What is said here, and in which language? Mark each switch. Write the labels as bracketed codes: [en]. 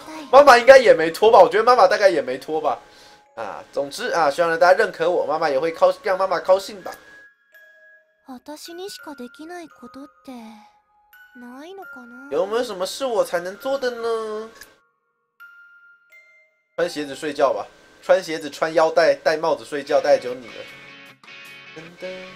[zh] 妈妈应该也没脱吧，我觉得妈妈大概也没脱吧。啊，总之啊，希望大家认可我，妈妈也会高，让妈妈高兴吧。 [ja] 私にしかできないことってないのかな？ [zh] 有没有什么是我才能做的呢？穿鞋子睡觉吧，穿鞋子、穿腰带、戴帽子睡觉，大概就你了。噔噔。